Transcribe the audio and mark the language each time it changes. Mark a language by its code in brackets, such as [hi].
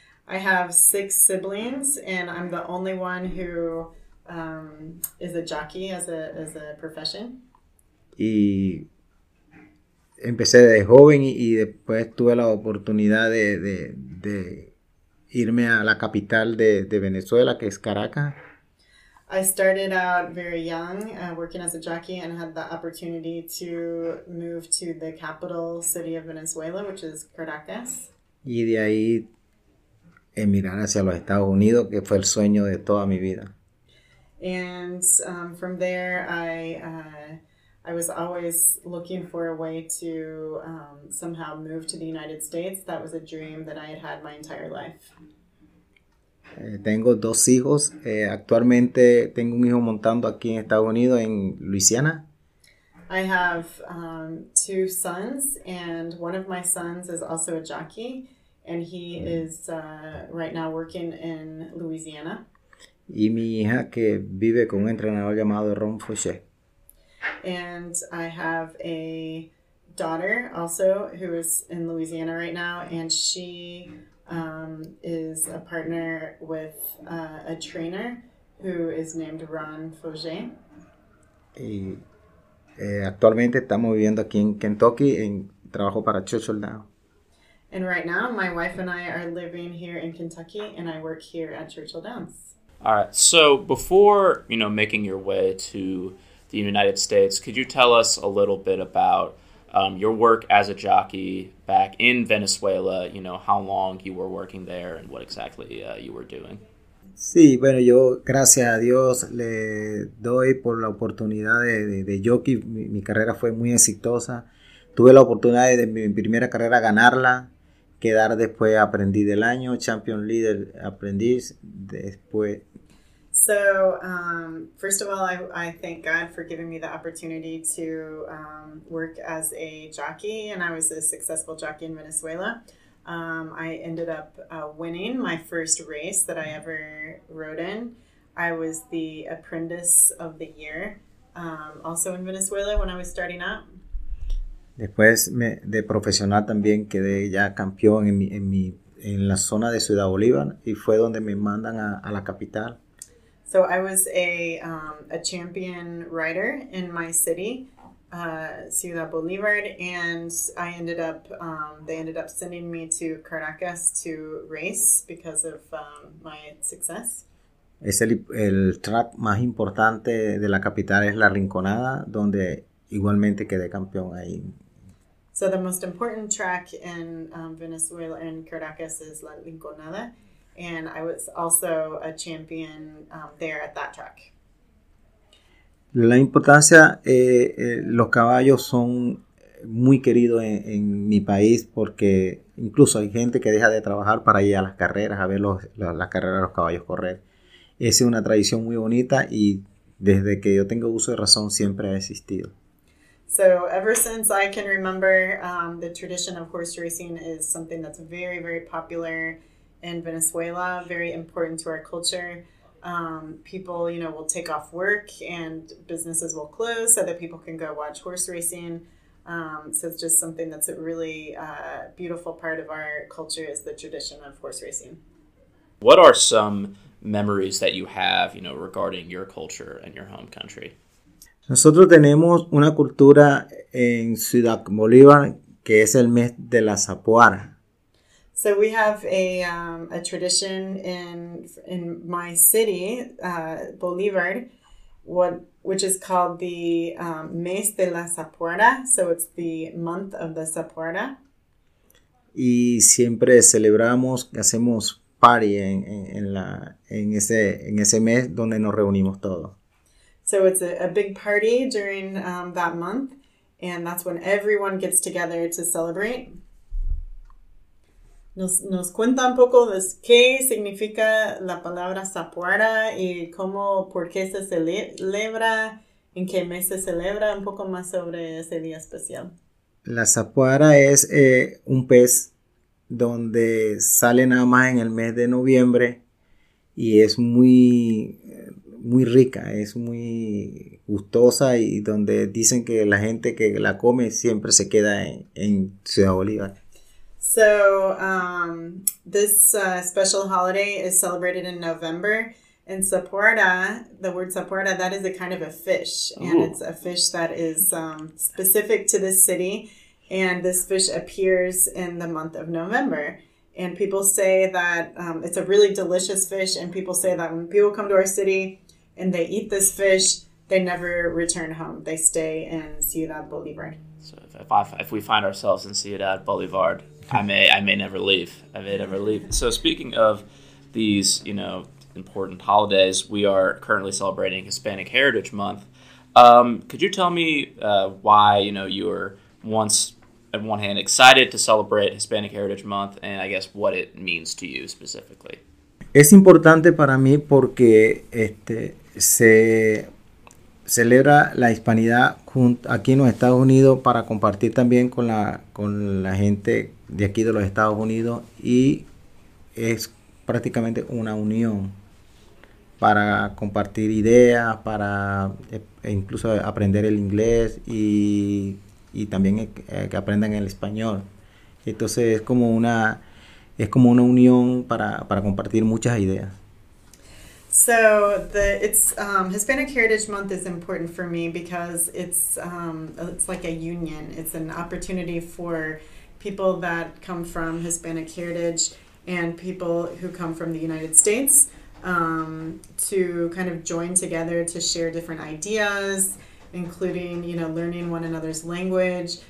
[en] I have six siblings, and I'm the only one who is a jockey as a profession. [es] Y empecé de joven y después tuve la oportunidad de irme a la capital de Venezuela, que es Caracas. [en] I started out very young, working as a jockey, and had the opportunity to move to the capital city of Venezuela, which is Caracas. [es] Y de ahí emigrar hacia los Estados Unidos, que fue el sueño de toda mi vida. [en] And from there, I was always looking for a way to somehow move to the United States. That was a dream that I had had my entire life. [es] Tengo dos hijos. Actualmente tengo un hijo montando aquí en Estados Unidos, en Luisiana. [en] I have two sons, and one of my sons is also a jockey, and he is right now working in Louisiana. [es] Y mi hija que vive con un entrenador llamado Ron Fouché. [en] And I have a daughter also who is in Louisiana right now, and she is a partner with a trainer who is named Ron Fouché. [es] Y actualmente estamos viviendo aquí en Kentucky en trabajo para Churchill Downs. [en] And right now my wife and I are living here in Kentucky and I work here at Churchill Downs. All right. So before, you know, making your way to the United States, could you tell us a little bit about your work as a jockey back in Venezuela, you know, how long you were working there and what exactly you were doing? [es] Sí, bueno, yo gracias a Dios le doy por la oportunidad de jockey. Mi carrera fue muy exitosa. Tuve la oportunidad de mi primera carrera ganarla. Quedar después aprendiz del año, [en] champion leader [es] aprendiz después. [en] So, first of all, I thank God for giving me the opportunity to work as a jockey, and I was a successful jockey in Venezuela. I ended up winning my first race that I ever rode in. I was the apprentice of the year, also in Venezuela when I was starting up. [es] Después de profesional también quedé ya campeón en la zona de Ciudad Bolívar y fue donde me mandan a la capital. [en] So I was a champion rider in my city, Ciudad Bolívar, and I ended up they ended up sending me to Caracas to race because of my success. [es] Es el track más importante de la capital es la Rinconada, donde igualmente quedé campeón ahí. [en] So the most important track in Venezuela, in Caracas, is La Rinconada. And I was also a champion there at that track. [es] La importancia, los caballos son muy queridos en mi país porque incluso hay gente que deja de trabajar para ir a las carreras, a ver las carreras de los caballos correr. Esa es una tradición muy bonita y desde que yo tengo uso de razón siempre ha existido. [en] So ever since I can remember, the tradition of horse racing is something that's very, very popular in Venezuela, very important to our culture. People, you know, will take off work and businesses will close so that people can go watch horse racing. So it's just something that's a really beautiful part of our culture is the tradition of horse racing. What are some memories that you have, you know, regarding your culture and your home country? [es] Nosotros tenemos una cultura en Ciudad Bolívar, que es el mes de la zapuara. [en] So we have a tradition in my city, Bolívar, which is called the mes de la zapuara. So it's the month of the zapuara. [es] Y siempre celebramos, hacemos party en ese mes donde nos reunimos todos. [en] So it's a big party during that month, and that's when everyone gets together to celebrate. [es] Nos cuenta un poco de qué significa la palabra zapuara y cómo, por qué se celebra, en qué mes se celebra, un poco más sobre ese día especial. La zapuara es un pez donde sale nada más en el mes de noviembre y es muy, muy rica, es muy gustosa y donde dicen que la gente que la come siempre se queda en Ciudad Bolívar. [en] So, this special holiday is celebrated in November, and zapuara, the word zapuara, that is a kind of a fish, and it's a fish that is specific to this city, and this fish appears in the month of November, and people say that it's a really delicious fish, and people say that when people come to our city and they eat this fish, they never return home. They stay in Ciudad Bolívar. So if we find ourselves in Ciudad Bolívar, I may never leave. I may never leave. So speaking of these, you know, important holidays, we are currently celebrating Hispanic Heritage Month. Could you tell me why, you know, you were once, on one hand, excited to celebrate Hispanic Heritage Month, and I guess what it means to you specifically? [es] Es importante para mí porque se celebra la hispanidad aquí en los Estados Unidos para compartir también con la gente de aquí de los Estados Unidos y es prácticamente una unión para compartir ideas, para incluso aprender el inglés y también que aprendan el español. Entonces es como una unión para compartir muchas ideas. [en] So Hispanic Heritage Month is important for me because it's like a union. It's an opportunity for people that come from Hispanic heritage and people who come from the United States to kind of join together to share different ideas, including, you know, learning one another's language.